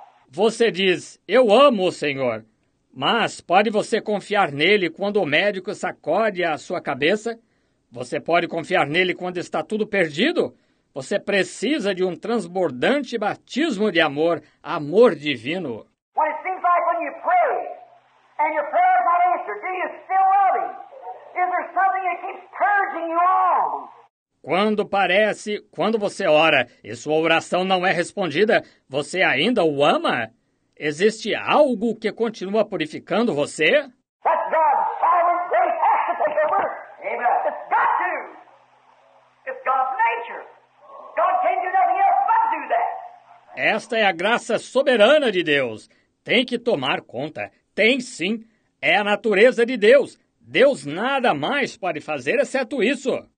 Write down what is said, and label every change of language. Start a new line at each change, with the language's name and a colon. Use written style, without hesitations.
Portuguese: Você diz, eu amo o Senhor, mas pode você confiar nele quando o médico sacode a sua cabeça? Você pode confiar nele quando está tudo perdido? Você precisa de um transbordante batismo de amor, amor divino.
English: When it seems like when you pray and your prayer is not answered, do you still love him? Is there something that keeps purging you on?
Portuguese: Quando parece, quando você ora e sua oração não é respondida, você ainda o ama? Existe algo que continua purificando você?
English: That's God's sovereign grace has to take over. Amen. It's got to. It's God's nature. God can't do nothing else but do that.
Portuguese: Esta é a graça soberana de Deus. Tem que tomar conta. Tem sim. É a natureza de Deus. Deus nada mais pode fazer exceto isso.